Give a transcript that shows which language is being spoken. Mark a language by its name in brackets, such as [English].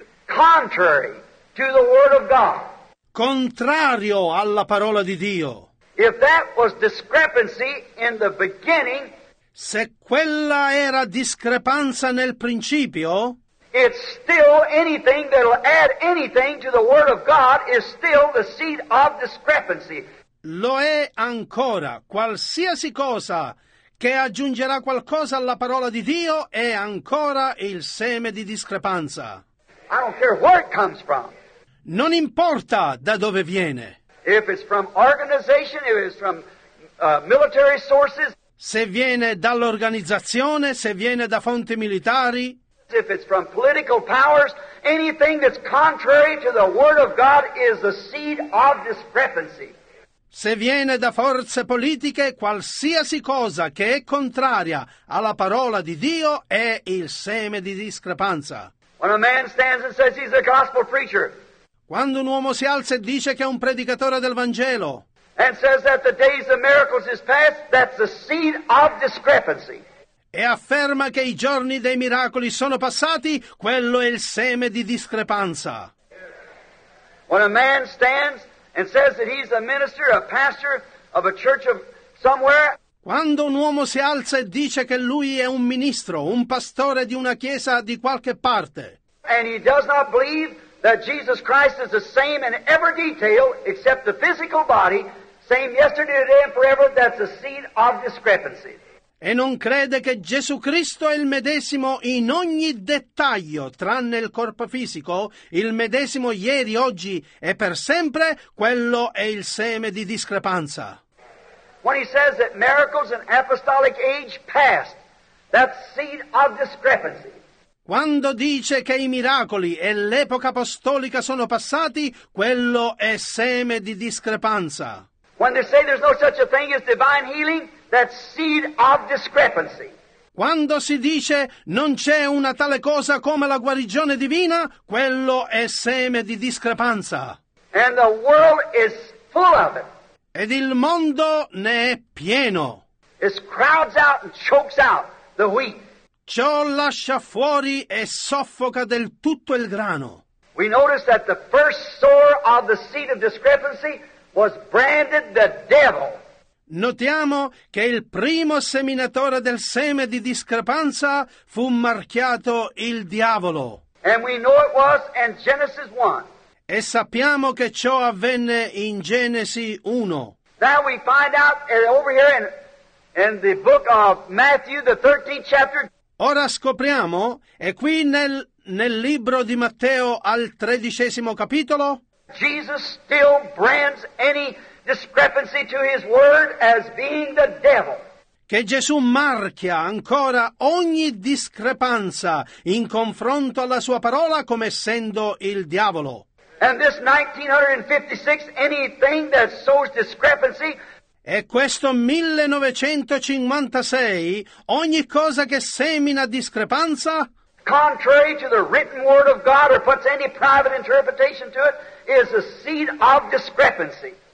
[English] Contrary to the word of God. [Italian] Contrario alla parola di Dio. [English] If that was discrepancy in the beginning, [Italian] se quella era discrepanza nel principio, [English] it's still anything that'll add anything to the word of God is still the seed of discrepancy. [Italian] Lo è ancora. Qualsiasi cosa che aggiungerà qualcosa alla parola di Dio è ancora il seme di discrepanza. [English] I don't care where it comes from. [Italian] Non importa da dove viene. [English] If it's from organization, if it's from military sources. [Italian] Se viene dall'organizzazione, se viene da fonti militari. [English] If it's from political powers, anything that's contrary to the word of God is the seed of discrepancy. [Italian] Se viene da forze politiche, qualsiasi cosa che è contraria alla parola di Dio è il seme di discrepanza. [English] When a man stands and says he's a gospel preacher, [Italian] quando un uomo si alza e dice che è un predicatore del Vangelo, [English] and says that the days of miracles is past, that's the seed of discrepancy. [Italian] E afferma che i giorni dei miracoli sono passati, quello è il seme di discrepanza. [English] When a man stands and says that he's a minister, a pastor of a church of somewhere. [Italian] Quando un uomo si alza e dice che lui è un ministro, un pastore di una chiesa di qualche parte. [English] And he does not believe that Jesus Christ is the same in every detail except the physical body, same yesterday, today and forever, that's a seed of discrepancy. [Italian] E non crede che Gesù Cristo è il medesimo in ogni dettaglio, tranne il corpo fisico, il medesimo ieri, oggi e per sempre, quello è il seme di discrepanza. [English] When he says that miracles in apostolic age passed, that's seed of discrepancy. [Italian] Quando dice che i miracoli e l'epoca apostolica sono passati, quello è seme di discrepanza. [English] When they say there's no such a thing as divine healing, that's seed of discrepancy. [Italian] Quando si dice non c'è una tale cosa come la guarigione divina, quello è seme di discrepanza. [English] And the world is full of it. [Italian] Ed il mondo ne è pieno. [English] It crowds out and chokes out the wheat. [Italian] Ciò lascia fuori e soffoca del tutto il grano. [English] We notice that the first sower of the seed of discrepancy was branded the devil. [Italian] Notiamo che il primo seminatore del seme di discrepanza fu marchiato il diavolo. [English] And we know it was in Genesis 1. [Italian] E sappiamo che ciò avvenne in Genesi 1. [English] Now we find out over here in the book of Matthew, the 13th chapter. [Italian] Ora scopriamo, e qui nel libro di Matteo al 13° capitolo, [English] Jesus still brands any discrepancy to his word as being the devil. [Italian] Che Gesù marchia ancora ogni discrepanza in confronto alla sua parola come essendo il diavolo. [English] And this 1956, anything that sows discrepancy. [Italian] E questo 1956, ogni cosa che semina discrepanza, [English] contrary to the written word of God or puts any private interpretation to it, is the seed of discrepancy.